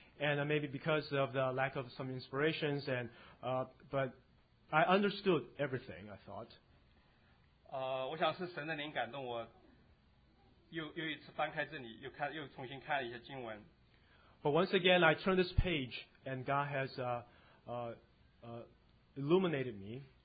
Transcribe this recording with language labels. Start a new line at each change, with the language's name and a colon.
English: and maybe because of the lack of some inspirations, and but I understood everything, I thought.
Chinese: 我想是神的灵感动我又一次翻开这里又看又重新看了一些经文。
English: But once again, I turned this page, and God has illuminated me.